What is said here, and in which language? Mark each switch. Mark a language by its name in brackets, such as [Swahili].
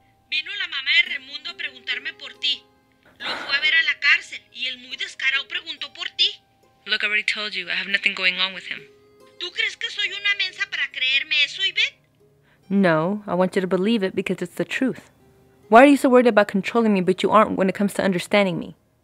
[Spanish] Vino la mamá de Raimundo a preguntarme por ti. Lo fue a ver a la cárcel y el muy descarado preguntó por ti. [English] Look, I already told you. I have nothing going on with him. [Spanish] ¿Tú crees que soy una mensa para creerme eso, Ivette? [English] No, I want you to believe it because it's the truth. Why are you so worried about controlling me but you aren't when it comes to understanding me?